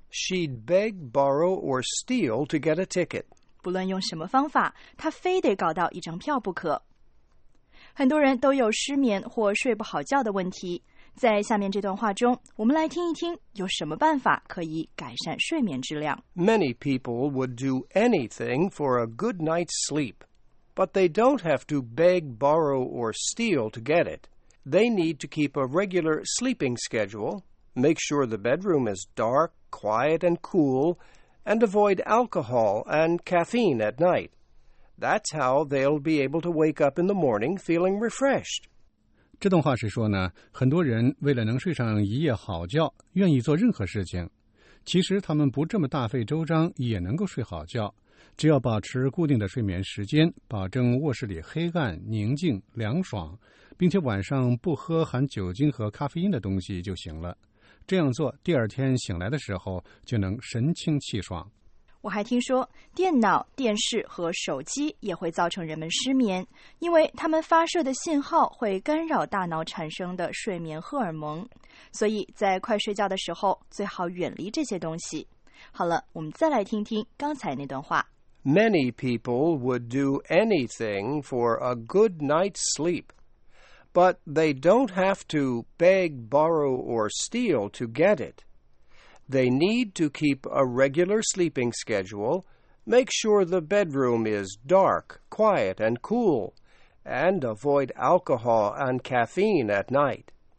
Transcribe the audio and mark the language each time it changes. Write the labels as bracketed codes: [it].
[en] She'd beg, borrow, or steal to get a ticket. [zh] 不论用什么方法，她非得搞到一张票不可。很多人都有失眠或睡不好觉的问题，在下面这段话中，我们来听一听有什么办法可以改善睡眠质量。 [en] Many people would do anything for a good night's sleep. But they don't have to beg, borrow, or steal to get it. They need to keep a regular sleeping schedule, make sure the bedroom is dark, quiet, and cool, and avoid alcohol and caffeine at night. That's how they'll be able to wake up in the morning feeling refreshed. [zh] 这段话是说呢，很多人为了能睡上一夜好觉，愿意做任何事情。其实他们不这么大费周章也能够睡好觉，只要保持固定的睡眠时间，保证卧室里黑暗、宁静、凉爽，并且晚上不喝含酒精和咖啡因的东西就行了。这样做，第二天醒来的时候就能神清气爽。我还听说，电脑、电视和手机也会造成人们失眠，因为它们发射的信号会干扰大脑产生的睡眠荷尔蒙，所以在快睡觉的时候最好远离这些东西。好了，我们再来听听刚才那段话。 [en] Many people would do anything for a good night's sleep, but they don't have to beg, borrow, or steal to get it. They need to keep a regular sleeping schedule, make sure the bedroom is dark, quiet, and cool, and avoid alcohol and caffeine at night.